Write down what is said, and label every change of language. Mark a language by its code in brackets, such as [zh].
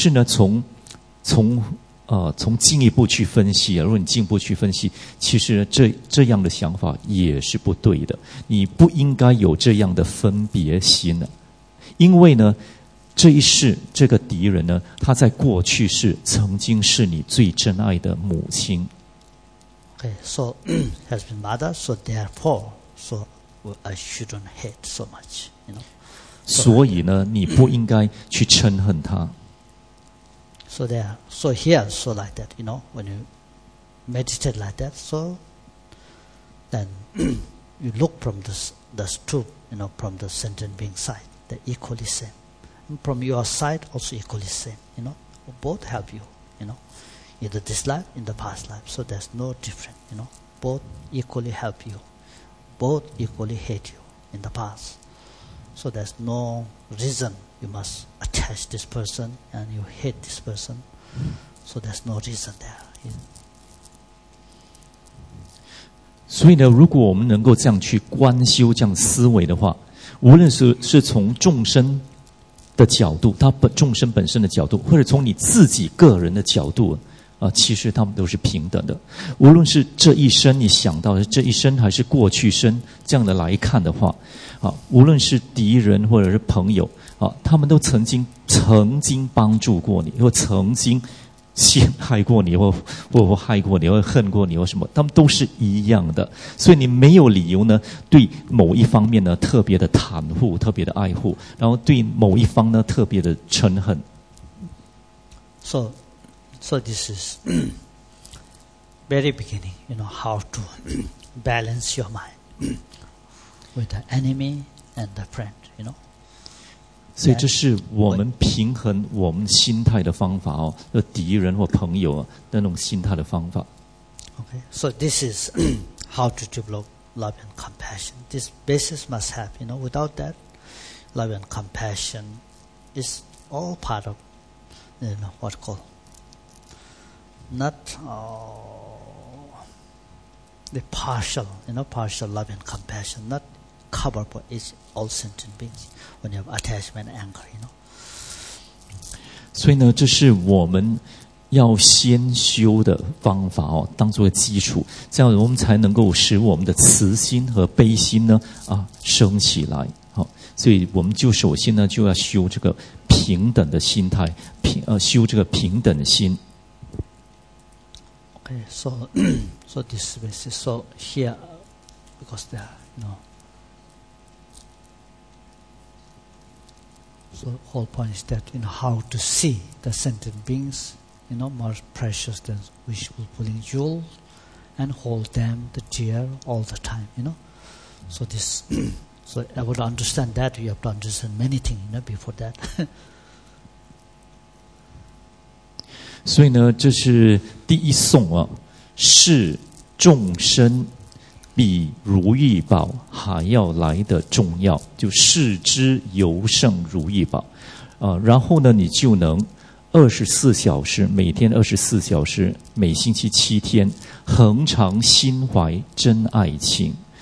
[zh] 这样从你的角度来看，你对你的亲人啊，或者你的朋友啊，起这个贪执的心啊，真爱的心，然后你对你的敌人起这嗔恨的心呢，啊，你认为这是天经地义的，这是应该，这是对的，可是呢，从 从进一步去分析啊，如果你进一步去分析，其实这样的想法也是不对的。你不应该有这样的分别心的，因为呢，这一世这个敌人呢，他在过去是曾经是你最真爱的母亲。Okay, [en] so has been mother, so therefore, so I shouldn't hate so much, you know. [zh] 所以呢，你不应该去嗔恨他。 [en] So there, so here, so like that, you know, when you meditate like that, so then you look from the truth, you know, from the sentient being side, they're equally same. From your side, also equally same, you know. Both help you, you know. Either this life, in the past life. So there's no difference, you know. Both equally help you. Both equally hate you in the past. So there's no reason you must attach this person and you hate this person. So there's no reason there. [zh] 所以呢，如果我们能够这样去观修，这样思维的话，无论是从众生的角度，他本众生本身的角度，或者从你自己个人的角度，其实他们都是平等的。无论是这一生你想到的这一生，还是过去生这样的来看的话，无论是敌人或者是朋友，他们都曾经帮助过你，或曾经陷害过你，或害过你，或恨过你，或什么，他们都是一样的。所以你没有理由呢，对某一方面呢特别的袒护，特别的爱护，然后对某一方呢特别的嗔恨。 [en] So this is very beginning. You know how to balance your mind with the enemy and the friend. You know. [zh] 所以这是我们平衡我们心态的方法哦，敌人或朋友啊，那种心态的方法。 [en] Okay, so this is how to develop love and compassion. This basis must have, you know, without that, love and compassion is all part of, you know, what call not the partial, you know, partial love and compassion, not cover for each all sentient beings. When you have attachment and anger, you know. [zh] 所以呢，这是我们要先修的方法哦，当作基础，这样我们才能够使我们的慈心和悲心呢升起来。好，所以我们就首先呢就要修这个平等的心态，修这个平等的心。 [en] Okay, so this is so here because there, you know. So the whole point is that, you know, how to see the sentient beings, you know, more precious than wishful pulling jewel and hold them the dear all the time, you know. So this, so I would understand that, you have to understand many things, you know, before that. [zh] 所以呢，这是第一颂啊，视众生比如意宝还要来的重要，就视之尤胜如意宝，然后呢，你就能24小时，每天24小时，每星期7天，恒常心怀真爱情。